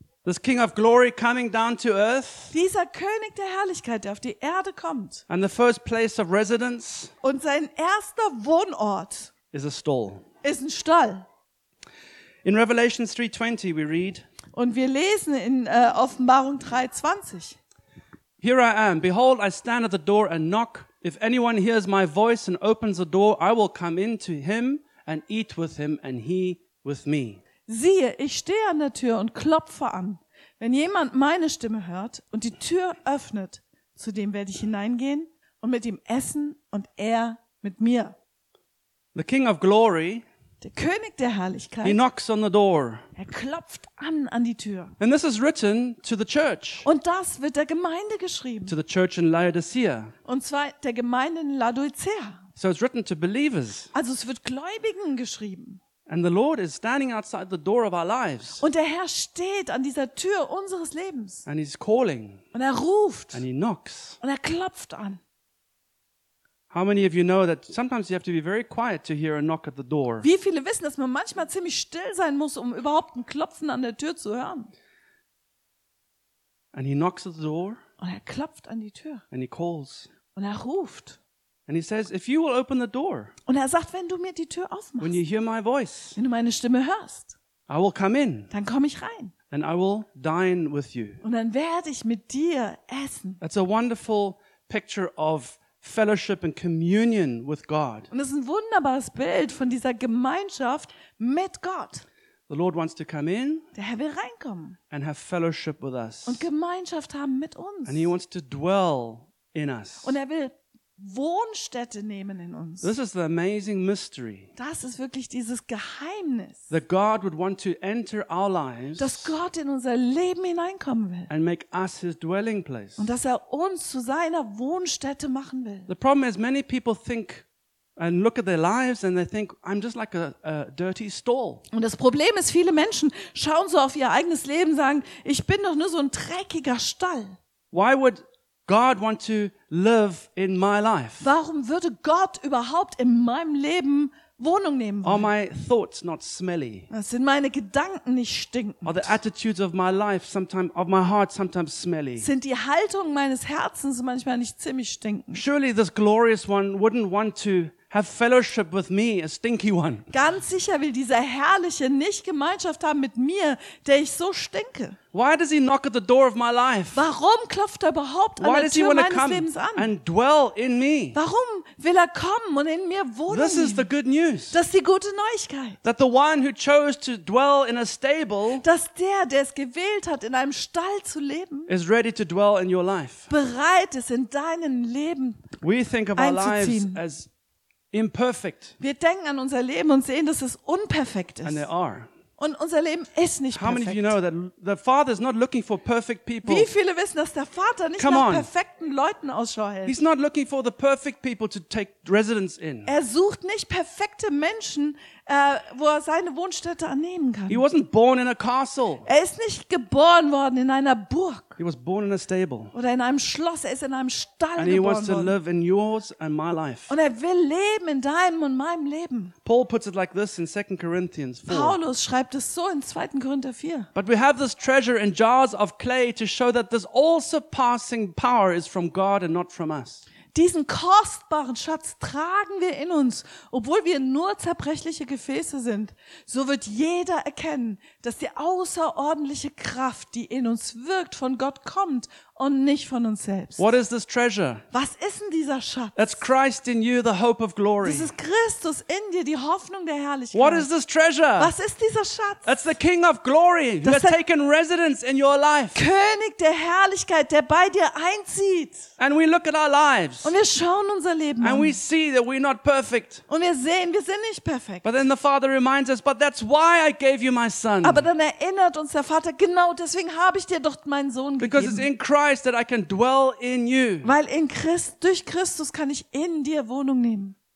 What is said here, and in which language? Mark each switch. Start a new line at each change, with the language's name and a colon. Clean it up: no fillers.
English: This King of Glory coming down to earth.
German: Dieser König der Herrlichkeit, der auf die Erde kommt.
English: And the first place of residence.
German: Und sein erster Wohnort.
English: Is a stall.
German: Ist ein Stall.
English: In Revelation 3:20 we read.
German: Und wir lesen in Offenbarung 3:20.
English: Here I am. Behold, I stand at the door and knock. If anyone hears my voice and opens the door, I will come in to him and eat with him and he with me.
German: Siehe, ich stehe an der Tür und klopfe an. Wenn jemand meine Stimme hört und die Tür öffnet, zu dem werde ich hineingehen und mit ihm essen und er mit mir.
English: The King of Glory,
German: der König der Herrlichkeit,
English: he knocks on the door.
German: Er klopft an die Tür.
English: And this is written to the church.
German: Und das wird der Gemeinde geschrieben.
English: To the church in Laodicea.
German: Und zwar der Gemeinde in Laodicea.
English: So it's written to believers.
German: Also es wird Gläubigen geschrieben.
English: And the Lord is standing outside the door of our lives.
German: Und der Herr steht an dieser Tür unseres Lebens.
English: And he's calling.
German: Und er ruft.
English: And he knocks.
German: Und er klopft an.
English: How many of you know that sometimes you have to be very quiet to hear a knock at the door?
German: Wie viele wissen, dass man manchmal ziemlich still sein muss, um überhaupt ein Klopfen an der Tür zu hören?
English: And he knocks at the door.
German: Und er klopft an die Tür.
English: And he calls.
German: Und er ruft.
English: And he says, if you will open the door.
German: Und er sagt, wenn du mir die Tür aufmachst.
English: When you hear my voice.
German: Wenn du meine Stimme hörst.
English: I will come in.
German: Dann komme ich rein.
English: And I will dine with you.
German: Und dann werde ich mit dir essen.
English: That's a wonderful picture of fellowship and communion with God.
German: Und das ist ein wunderbares Bild von dieser Gemeinschaft mit Gott.
English: The Lord wants to come in.
German: Der Herr will reinkommen.
English: And have fellowship with us.
German: Und Gemeinschaft haben mit uns.
English: And he wants to dwell in us.
German: Und er will Wohnstätte nehmen in uns.
English: This is the amazing mystery.
German: Das ist wirklich dieses Geheimnis.
English: That God would want to enter our lives.
German: Dass Gott in unser Leben hineinkommen will.
English: And make us his dwelling place.
German: Und dass er uns zu seiner Wohnstätte machen will.
English: The problem is many people think and look at their lives and they think I'm just like a dirty stall.
German: Und das Problem ist, viele Menschen schauen so auf ihr eigenes Leben, sagen, ich bin doch nur so ein dreckiger Stall.
English: Why would God want to live in my life?
German: Warum würde Gott überhaupt in meinem Leben Wohnung nehmen wollen?
English: Are my thoughts not smelly?
German: Sind meine Gedanken nicht stinkend?
English: Are the attitudes of my life sometimes of my heart sometimes smelly?
German: Sind die Haltung meines Herzens manchmal nicht ziemlich stinkend?
English: Surely this glorious one wouldn't want to have fellowship with me, a stinky one.
German: Ganz sicher will dieser Herrliche nicht Gemeinschaft haben mit mir, der ich so stinke.
English: Why does he knock at the door of my life?
German: Warum klopft er überhaupt an der Tür meines Lebens an?
English: And dwell in me?
German: Warum will er kommen und in mir wohnen?
English: This is the good news.
German: Das ist die gute Neuigkeit.
English: That the one who chose to dwell in a stable,
German: dass der, der es gewählt hat, in einem Stall zu leben,
English: is ready to dwell in your life.
German: Bereit ist, in deinem Leben einzuziehen.
English: We think of our lives as imperfect.
German: Wir denken an unser Leben und sehen, dass es unperfekt ist.
English: And they are.
German: Und unser Leben ist nicht perfekt.
English: How many of you know that the Father is not looking for perfect people?
German: Wie viele wissen, dass der Vater nicht nach perfekten Leuten Ausschau hält?
English: He's not looking for the perfect people to take residence in.
German: Er sucht nicht perfekte Menschen, wo er seine Wohnstätte annehmen kann.
English: He wasn't born in a castle.
German: Er ist nicht geboren worden in einer Burg.
English: He was born in a stable.
German: Oder in einem Schloss. Er ist in einem Stall
English: and
German: geboren
English: he wants to
German: worden.
English: Live in yours and my life.
German: Und er will leben in deinem und meinem Leben.
English: Paul puts it like this in 2 Corinthians 4.
German: Paulus schreibt es so in 2. Korinther 4.
English: But we have this treasure in jars of clay to show that this all-surpassing power is from God and not from us.
German: Diesen kostbaren Schatz tragen wir in uns, obwohl wir nur zerbrechliche Gefäße sind. So wird jeder erkennen, dass die außerordentliche Kraft, die in uns wirkt, von Gott kommt und nicht von uns selbst.
English: What is this treasure?
German: Was ist denn dieser Schatz?
English: That's Christ in you, the hope of glory.
German: Das ist Christus in dir, die Hoffnung der Herrlichkeit.
English: What is this treasure?
German: Was ist dieser Schatz?
English: That's the King of glory, who has taken residence in your life.
German: König der Herrlichkeit, der bei dir einzieht.
English: And we look at our lives.
German: Und wir schauen unser Leben
English: and
German: an.
English: And we see that we're not perfect.
German: Und wir sehen, wir sind nicht perfekt.
English: But then the Father reminds us, but that's why I gave you my Son.
German: Aber dann erinnert uns der Vater, genau deswegen habe ich dir doch meinen Sohn gegeben.
English: Because it's in Christ that I can dwell in you.
German: Weil in Christ durch Christus kann ich in dir Wohnung nehmen.